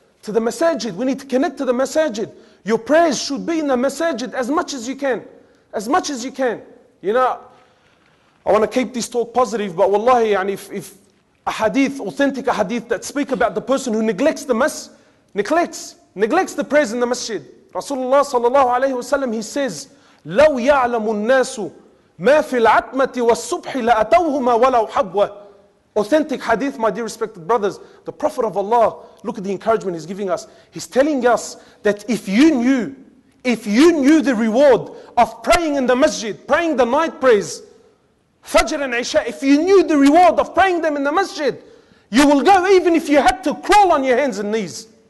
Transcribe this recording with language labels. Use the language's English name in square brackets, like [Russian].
[English] To the masajid, we need to connect to the masajid. Your prayers should be in the masajid as much as you can. As much as you can. You know, I want to keep this talk positive, but wallahi, and if a hadith, authentic hadith that speak about the person who neglects the mas, neglects the prayers in the masjid. [Arabic] Rasulullah sallallahu alayhi wa sallam, [English] he says, [Arabic] لَوْ يَعْلَمُ النَّاسُ مَا فِي الْعَتْمَةِ وَالصُّبْحِ لَأَتَوْهُمَا وَلَوْ حَبْوَةً. [English] Authentic hadith, my dear respected brothers. The Prophet of Allah, look at the encouragement he's giving us. He's telling us that if you knew the reward of praying in the masjid, praying the night prayers, Fajr and Isha, if you knew the reward of praying them in the masjid, you will go even if you had to crawl on your hands and knees.